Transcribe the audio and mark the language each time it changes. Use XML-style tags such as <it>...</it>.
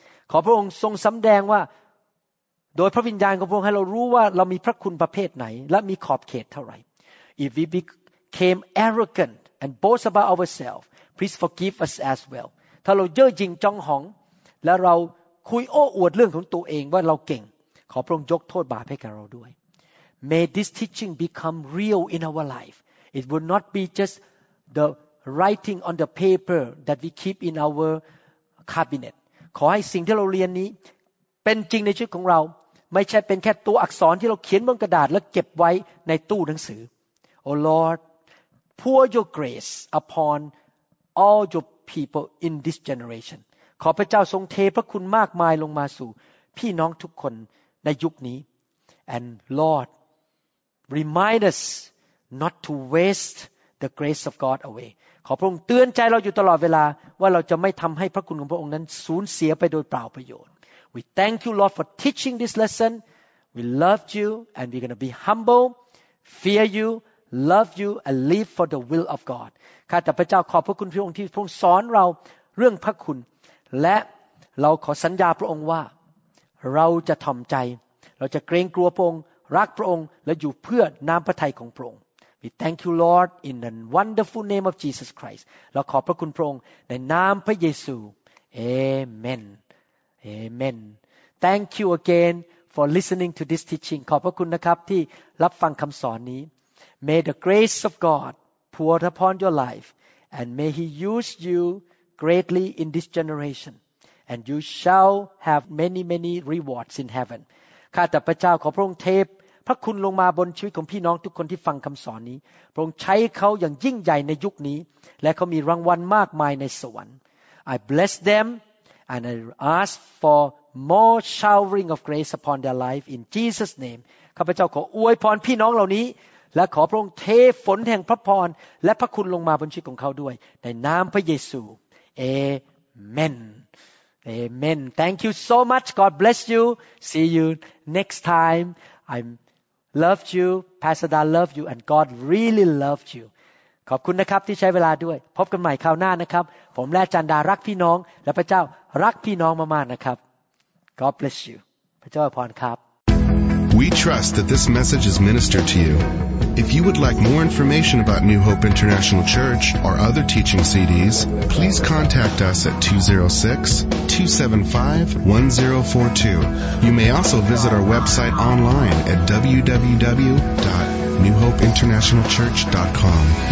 <th>ขอพระองค์ทรงสำแดงว่าโดยพระวิญญาณของพระองค์ให้เรารู้ว่าเรามีพระคุณประเภทไหนและมีขอบเขตเท่าไหร่</th> <en>If we became arrogant and boast about ourselves, please forgive us as well.</en> <th>ถ้าเราเย่อหยิ่งจองหองและเราคุยโอ้อวดเรื่องของตัวเองว่าเราเก่งขอพระองค์ยกโทษบาปให้กับเราด้วย</th> <en>May this teaching become real in our life. It will not be just the writing on the paper that we keep in our cabinet.</en> <th>ขอให้สิ่งที่เราเรียนนี้เป็นจริงในชีวิตของเราไม่ใช่เป็นแค่ตัวอักษรที่เราเขียนบนกระดาษแล้วเก็บไว้ในตู้หนังสือ</th> <en>Oh Lord, pour your grace upon all your people in this generation.</en> <th>ขอพระเจ้าทรงเทพระคุณมากมายลงมาสู่พี่น้องทุกคนในยุคนี้</th> <en>And Lord, remind us not to waste the grace of God away.</en> <th>ขอพระองค์เตือนใจเราอยู่ตลอดเวลาว่าเราจะไม่ทำให้พระคุณของพระองค์นั้นสูญเสียไปโดยเปล่าประโยชน์</th> <en>We thank you, Lord, for teaching this lesson. We love you, and we're going to be humble, fear you, love you, and live for the will of God.</en> <th>ข้าแต่พระเจ้าขอบพระคุณพระองค์ที่ทรงสอนเราเรื่องพระคุณและเราขอสัญญาพระองค์ว่าเราจะถ่อมใจเราจะเกรงกลัวพระองค์รักพระองค์และอยู่เพื่อนามพระทัยของพระองค์</th> <en>We thank you, Lord, in the wonderful name of Jesus Christ.</en> <th>เราขอบพระคุณพระองค์ในนามพระเยซู Amen.</th> <en>Amen. Thank you again for listening to this teaching.</en> <th>ขอบพระคุณนะครับที่รับฟังคำสอนนี้</th> <en>May the grace of God pour upon your life and may He use you greatly in this generation and you shall have many many rewards in heaven.</en> <th>ข้าแต่พระเจ้าขอพระองค์เทพระคุณลงมาบนชีวิตของพี่น้องทุกคนที่ฟังคำสอนนี้พระองค์ใช้เขาอย่างยิ่งใหญ่ในยุคนี้และเขามีรางวัลมากมายในสวรรค์</th> <en>I bless themAnd I ask for more showering of grace upon their life in Jesus' name.</en> <th>ข้าพเจ้าขออวยพรพี่น้องเหล่านี้และขอพระองค์เทฝนแห่งพระพรและพระคุณลงมาบนชีวิตของเขาด้วยในนามพระเยซู Amen.</th> <en>Amen. Thank you so much. God bless you. See you next time. I loved you. Pastor Dan loved you. And God really loved you.</en> <th>ขอบคุณนะครับที่ใช้เวลาด้วยพบกันใหม่คราวหน้านะครับผมและจันดารักพี่น้องและพระเจ้ารักพี่น้องมากๆนะครับ</th> <en>God bless you</en> <th>พระเจ้าอวยพรครับ</th> <en>We trust that this message is ministered to you If you would like more information about New Hope International Church or other teaching CDs please contact us at 206-275-1042 You may also visit our website online at www.newhopeinternationalchurch.com</en>